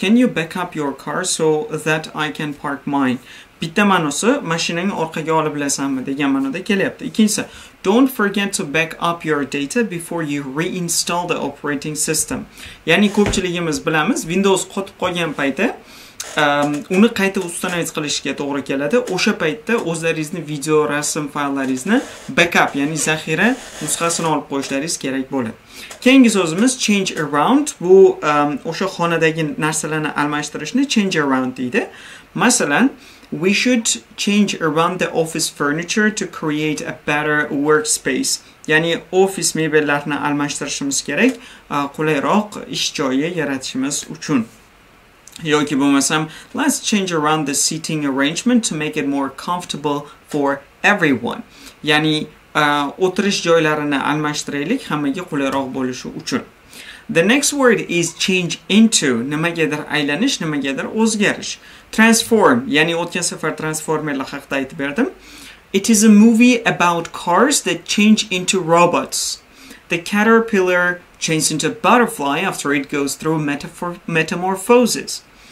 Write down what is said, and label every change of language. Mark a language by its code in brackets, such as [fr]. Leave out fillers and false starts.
[en] Can you backup your car so that I can park mine? [uz] Bitta ma'nosi mashinani orqaga olib bilasanmi degan ma'noda kelyapti. [en] Ikkinchisi, don't forget to back up your data before you reinstall the operating system. [uz] Ya'ni ko'pchiligimiz bilamiz, Windows qotib qolgan paytda uni qayta ustanovitsiya qilishga to'g'ri keladi. O'sha paytda o'zlaringizni video, rasm fayllaringizni backup, ya'ni zaxira nusxasini olib qo'yishlaringiz kerak bo'ladi. Keyingi so'zimiz change around. Bu o'sha xonadagi narsalarni almashtirishni change around deydi. [en] Masalan, we should change around the office furniture to create a better workspace. [uz] Ya'ni office mebellarini almashtirishimiz kerak, qulayroq ish joyi yaratishimiz uchun. Yoki bo'lmasam, [en] let's change around the seating arrangement to make it more comfortable for everyone. [uz] Ya'ni o'tirish joylarini almashtiraylik, hammaga qulayroq bo'lishi uchun. [en] The next word is change into. [uz] Nimagadir aylanish, nimagadir o'zgarish. Transform, ya'ni o'tgan safar transformerlar haqida aytib berdim. [en] It is a movie about cars that change into robots. The caterpillar changes into a butterfly after it goes through metamorphosis.